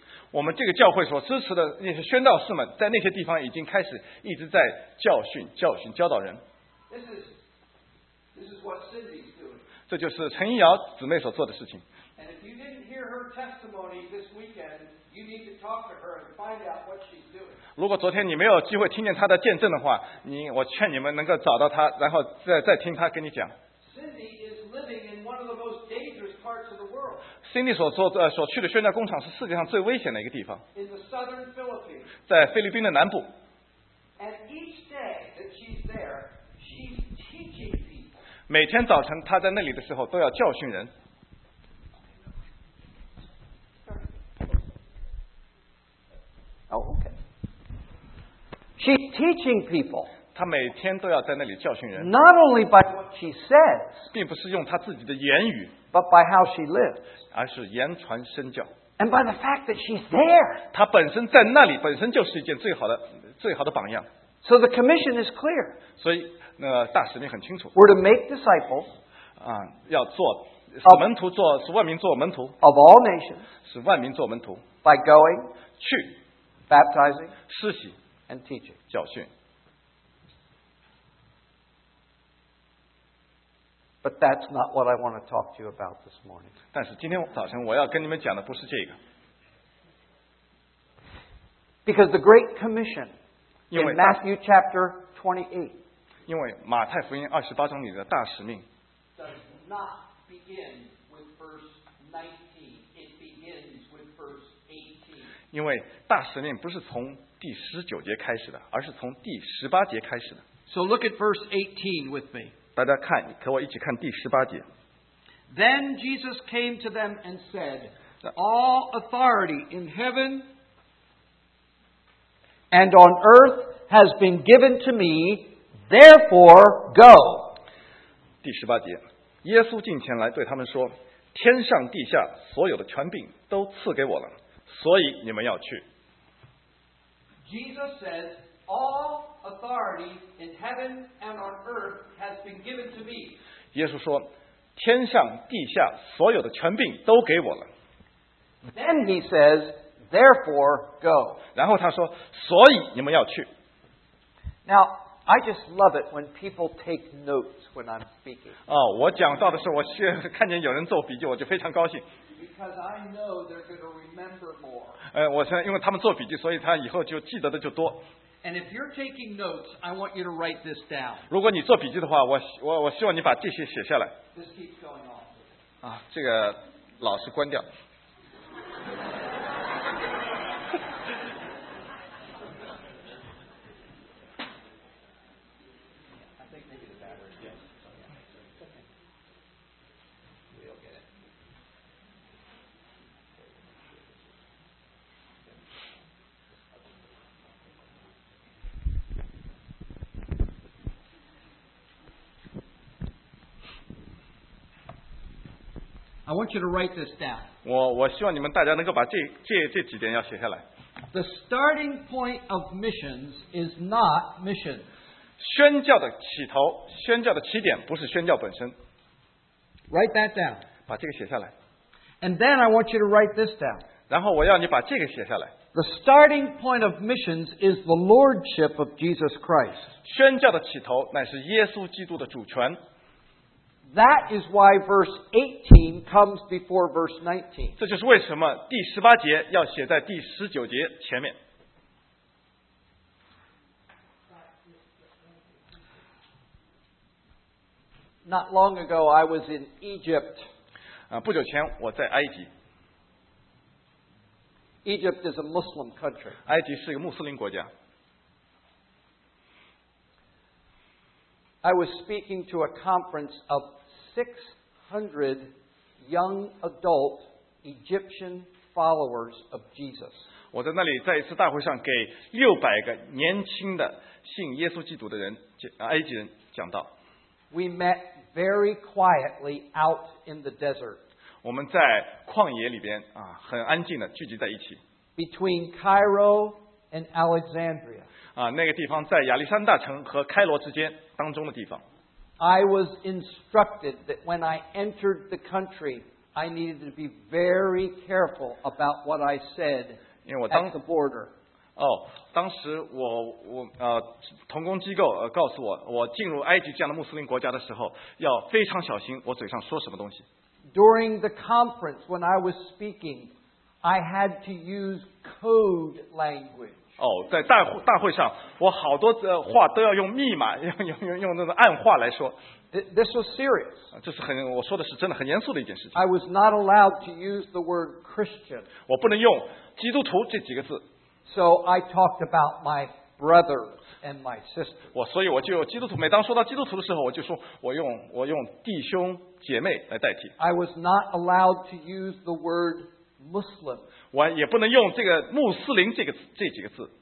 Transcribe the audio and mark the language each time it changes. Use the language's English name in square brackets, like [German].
[Chinese] 我们这个教会所支持的那些宣道士们在那些地方已经开始一直在教训教训教导人。 [English] This is what Cindy's doing. [Chinese] 这就是陈怡瑶姊妹所做的事情。 [English] And if you didn't hear her testimony this weekend, you need to talk to her and find out what she's doing. [Chinese] 如果昨天你没有机会听见她的见证的话，你我劝你们能够找到她，然后再听她跟你讲。 [English] Cindy is living in one of the most dangerous parts of the world. [Chinese] Cindy 所去的宣教工厂是世界上最危险的一个地方。 [English] In the southern Philippines. [Chinese] 在菲律宾的南部。 [English] And each day that she's there, she's teaching people. [Chinese] 每天早晨她在那里的时候都要教训人。 [English] She's teaching people. [Chinese] 她每天都要在那里教训人。 [English] Not only by what she says, [Chinese] 并不是用她自己的言语， [English] but by how she lives, [Chinese] 而是言传身教。 [English] And by the fact that she's there, [Chinese] 她本身在那里本身就是一件最好的榜样。 [English] So the commission is clear. [Chinese] 所以大使命很清楚。 [English] We're to make disciples. [Chinese] 要做门徒，做使万民做门徒。 [English] Of all nations, [Chinese] 使万民做门徒。 [English] By going, [Chinese] 去 [English] baptizing, [Chinese] 施洗。 [English] And teaching. [Chinese] 教训。 [English] But that's not what I want to talk to you about this morning. [Chinese] 但是今天早晨我要跟你们讲的不是这个。 [English] Because the Great Commission in Matthew chapter 28. [Chinese] 因为马太福音二十八章里的大使命。 [English] Does not begin with verse 19. It begins with verse 18. [Chinese] 因为大使命不是从第十九节开始的，而是从第十八节开始的。 [English] So look at verse 18 with me. [Chinese] 大家看，和我一起看第十八节。 [English] Then Jesus came to them and said, "All authority in heaven and on earth has been given to me. Therefore, go." [Chinese] 第十八节，耶稣近前来对他们说：“天上地下所有的权柄都赐给我了，所以你们要去。” [English] Jesus says, "All authority in heaven and on earth has been given to me." [Chinese] 耶稣说，天上地下所有的权柄都给我了。 [English] Then he says, "Therefore, go." [Chinese] 然后他说，所以你们要去。 [English] Now, I just love it when people take notes when I'm speaking. [Chinese] 我讲到的时候，我看见有人做笔记，我就非常高兴。 [English] Because I know they're going to remember more. And if you're taking notes, I want you to write this down. [Chinese] 如果你做笔记的话，我希望你把这些写下来。 [English] This keeps going off. [Chinese] 这个老是关掉。 [English] I want you to write this down. [Chinese] 我希望你们大家能够把这几点要写下来。 [English] The starting point of missions is not mission. [Chinese] 宣教的起头，宣教的起点不是宣教本身。 [English] Write that down. [Chinese] 把这个写下来。 [English] And then I want you to write this down. [Chinese] 然后我要你把这个写下来。 [English] The starting point of missions is the lordship of Jesus Christ. [Chinese] 宣教的起头乃是耶稣基督的主权。 [English] That is why verse 18 comes before verse 19. [Chinese] 这就是为什么第十八节要写在第十九节前面。 [English] Not long ago, I was in Egypt. [Chinese] 不久前我在埃及。 [English] Egypt is a Muslim country. [Chinese] 埃及是一个穆斯林国家。 [English] I was speaking to a conference of 600 young adult Egyptian followers of Jesus. [Chinese] 我在那里在一次大会上给600个年轻的信耶稣基督的人，埃及人讲道。 [English] We met very quietly out in the desert. [Chinese] 我们在旷野里边很安静的聚集在一起。 [English] Between Cairo and Alexandria. [Chinese] 那个地方在亚历山大城和开罗之间当中的地方。 [English] I was instructed that when I entered the country, I needed to be very careful about what I said [Chinese] 因为我当 [English] at the border. [Chinese] 当时我同工机构告诉我，我进入埃及这样的穆斯林国家的时候，要非常小心我嘴上说什么东西。 [English] During the conference, when I was speaking, I had to use code language. [Chinese] 在大会上，我好多话都要用密码，用那种暗话来说。 [English] This was serious. [Chinese] 这是很严肃的一件事情。 [English] I was not allowed to use the word Christian. [Chinese] 我不能用基督徒这几个字。 [English] So I talked about my brother and my sister. [Chinese] 所以我就基督徒，每当说到基督徒的时候，我就说我用弟兄姐妹来代替。 [English] I was not allowed to use the word Muslim. [Chinese] 我也不能用这个穆斯林这几个字。